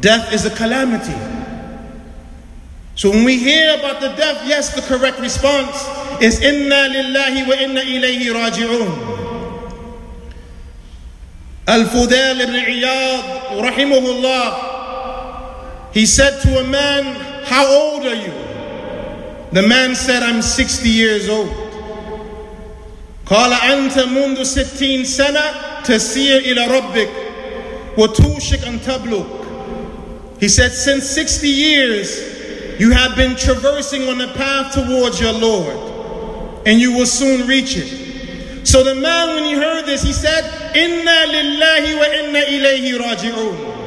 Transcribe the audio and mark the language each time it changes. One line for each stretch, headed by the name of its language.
English: Death is a calamity. So when we hear about the death, yes, the correct response is
Arabic: Inna lillahi wa inna ilayhi raji'un.
English: Al-Fudail ibn Iyad, rahimahullah, he said to a man, how old are you? The man said, I'm 60 years old.
Arabic: قال أنت منذ 60 سنة تسير إلى ربك وتوشك أن تبلغ.
English: He said, since 60 years you have been traversing on the path towards your Lord, and you will soon reach it. So the man, when he heard this, he said,
Arabic: إنا لله وإنا إليه راجعون.